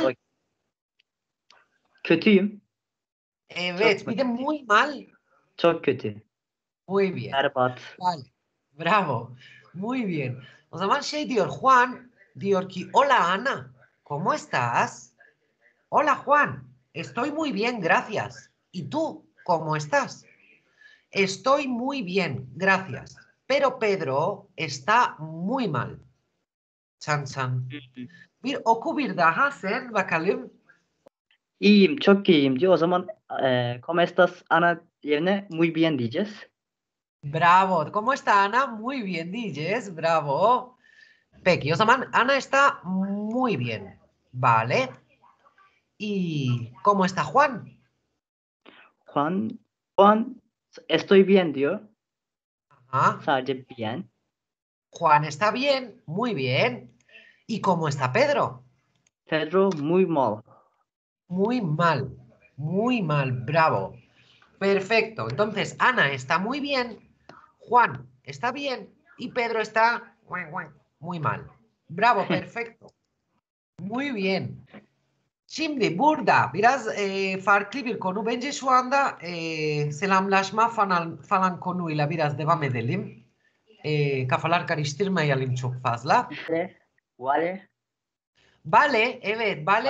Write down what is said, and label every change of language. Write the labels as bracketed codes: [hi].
[tr] kadar kötüyüm. Çok Evet, mu bir de kötü? [es] muy mal. [tr] Çok kötü. [es] Muy bien. [tr] Berbat. [es] Vale. Bravo. Muy bien. [tr] O zaman şey diyor Juan, diyor ki, [es] "Hola Ana, ¿cómo estás?" "Hola Juan, estoy muy bien, gracias. ¿Y tú, cómo estás?" "Estoy muy bien, gracias. Pero Pedro está muy mal." Chan chan. [tr] Bir oku bir daha sen bakalım. İyiyim, çok iyiyim diyor. O zaman [es] como estás Ana [tr] yerine [es] muy bien [tr] diyeceğiz. [es] Bravo. ¿Cómo está Ana? Muy bien, dices. Bravo. [tr] Peki, o zaman [es] Ana está muy bien. Vale. ¿Y cómo está Juan? Juan estoy bien [tr] diyor. Ah. Sadece bien. [es] Juan está bien, muy bien. ¿Y cómo está Pedro? Pedro muy mal. Muy mal, bravo. Perfecto, entonces Ana está muy bien, Juan está bien y Pedro está muy mal. Bravo, perfecto. Muy bien. [tr] Şimdi burada biraz farklı bir konu. Bence şu anda selamlaşma falan konuyla biraz devam edelim. Kafalar karıştırmayalım çok fazla. İşte vale. [es] Vale, evet, vale.